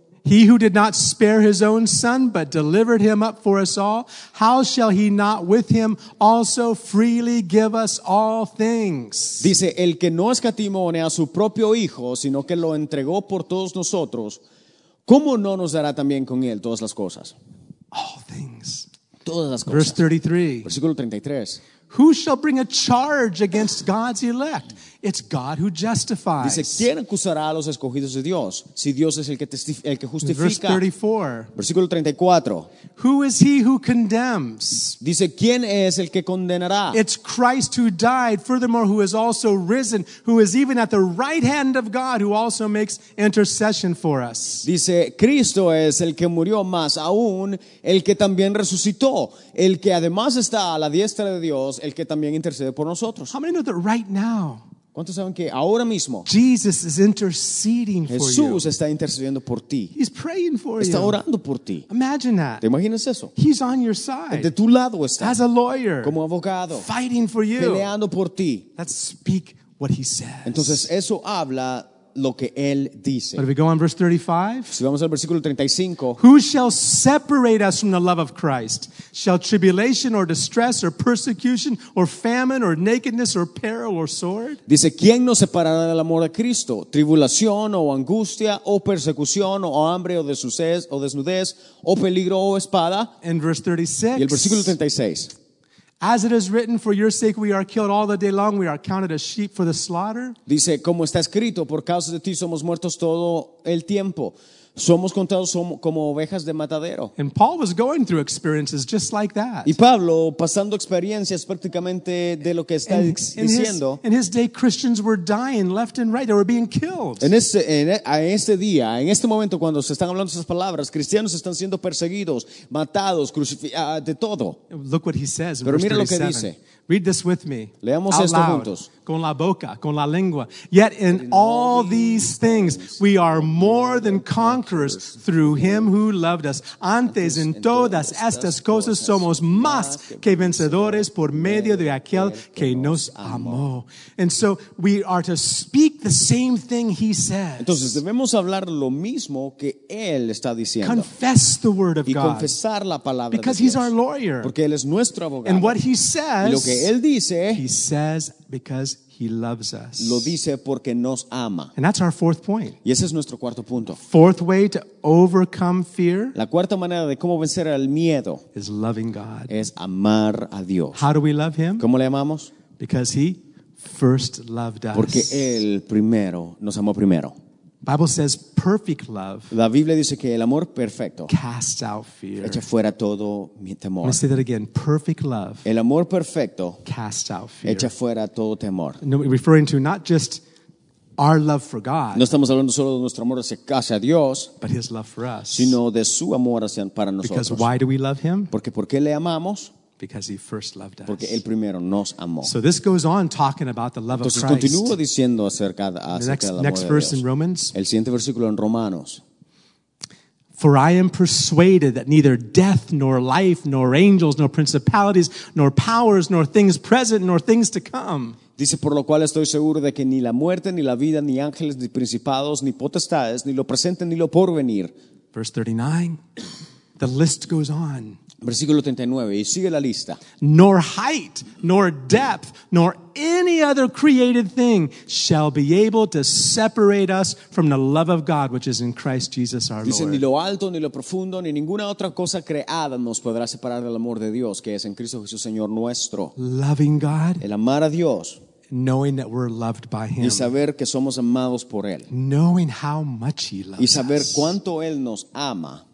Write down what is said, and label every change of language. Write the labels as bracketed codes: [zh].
[en] He who did not spare his own son, but delivered him up for us all, how shall he not with him also freely give us all things? [es] Dice, el que no escatimó ni a su propio hijo, sino que lo entregó por todos nosotros, ¿cómo no nos dará también con él todas las cosas? [en] all things. [es] Todas las cosas. [en] Verse 33. [es] Versículo 33. [en] Who shall bring a charge against God's elect? It's God who justifies. [es] Dice, ¿quién acusará a los escogidos de Dios? Si Dios es el que justifica. [en] Verse 34. [es] Versículo 34. [en] Who is he who condemns? [es] Dice, ¿quién es el que condenará? [en] It's Christ who died, furthermore, who is also risen, who is even at the right hand of God, who also makes intercession for us. [es] Dice, Cristo es el que murió, más aún el que también resucitó, el que además está a la diestra de Dios, el que también intercede por nosotros. [en] How many know that right now, [es] ¿cuántos saben que ahora mismo [en] Jesus is interceding [es] Jesús [en] for you. [es] Está intercediendo por ti? [en] He's praying for [es] está [en] you. [es] Orando por ti. [en] Imagine that. [es] ¿Te imaginas eso? [en] He's on your side. [es] De tu lado está. [en] As a lawyer, [es] como abogado, [en] fighting for you. [es] Peleando por ti. [en] Let's speak what he says. [es] Entonces eso habla lo que él dice. [en] But if we go on verse 35, [es] si vamos al versículo 35, [en] who shall separate us from the love of Christ? Shall tribulation or distress or persecution or famine or nakedness or peril or sword? [es] Dice, ¿quién nos separará del amor de Cristo? Tribulación o angustia o persecución o hambre o desnudez o peligro o espada. [en] In verse 36, [es] y el versículo 36. [en] As it is written, for your sake we are killed all the day long, we are counted as sheep for the slaughter. [es] Dice, como está escrito, por causa de ti somos muertos todo el tiempo. Somos contados como ovejas de matadero. [en] And Paul was going through experiences just like that. [es] Y Pablo, pasando experiencias prácticamente de lo que está diciendo. [en] In his day, Christians were dying left and right. They were being killed. [es] En este momento, cuando se están hablando esas palabras, cristianos están siendo perseguidos, matados, crucificados, de todo. [en] Look what he says. [es] Pero mira lo que dice. [en] Read this with me. [es] Leamos esto juntos. Con la boca, con la lengua. [en] Yet in all these things, we are more than conquerors through him who loved us. [es] Antes en todas estas cosas, somos más que vencedores por medio de aquel que nos amó. [en] And so we are to speak the same thing he says. [es] Entonces debemos hablar lo mismo que él está diciendo. [en] Confess the word of God. [es] Y confesar la palabra de Dios. [en] Because he's our lawyer. [es] Porque él es nuestro abogado. [en] And what he says, [es] lo que él dice, [en] he says, because he loves us. [es] Lo dice porque nos ama. [en] And that's our fourth point. [es] Y ese es nuestro cuarto punto. [en] Fourth way to overcome fear. [es] La cuarta manera de cómo vencer al miedo [en] is loving God. [es] Es amar a Dios. [en] How do we love him? [es] ¿Cómo le amamos? [en] Because he first loved us. [es] Porque él primero nos amó primero. [en] Bible says perfect love. [es] La Biblia dice que el amor perfecto [en] casts out fear. [es] Echa fuera todo mi temor. [en] I'm going to say that again. Perfect love. [es] El amor perfecto [en] casts out fear. [es] Echa fuera todo temor. [en] No, referring to not just our love for God. [es] No estamos hablando solo de nuestro amor hacia Dios, [en] but his love for us. [es] Sino de su amor hacia para nosotros. [en] Because why do we love him? [es] Porque ¿por qué le amamos? [en] Because he first loved us. [es] Porque él primero nos amó. [en] So this goes on talking about the love [es] entonces, [en] of Christ. [es] Continúo diciendo acerca [en] the next, [es] del amor [en] next [es] de [en] verse [es] Dios. [en] In Romans. [es] El siguiente versículo en Romanos. [en] For I am persuaded that neither death, nor life, nor angels, nor principalities, nor powers, nor things present, nor things to come. [es] Dice, por lo cual estoy seguro de que ni la muerte, ni la vida, ni ángeles, ni principados, ni potestades, ni lo presente, ni lo porvenir. [en] Verse 39. The list goes on. [es] Versículo 39, y sigue la lista. [en] Nor height, nor depth, nor any other created thing shall be able to separate us from the love of God which is in Christ Jesus our [es] dice, [en] Lord. [es] Ni lo alto, ni lo profundo, ni ninguna otra cosa creada nos podrá separar del amor de Dios que es en Cristo Jesús Señor nuestro. [en] Loving God. [es] El amar a Dios. [en] Knowing that we're loved by him. [es] Y saber que somos amados por él. [en] Knowing how much he loves us. [es] Y saber [en] us. [es] Cuánto él nos ama.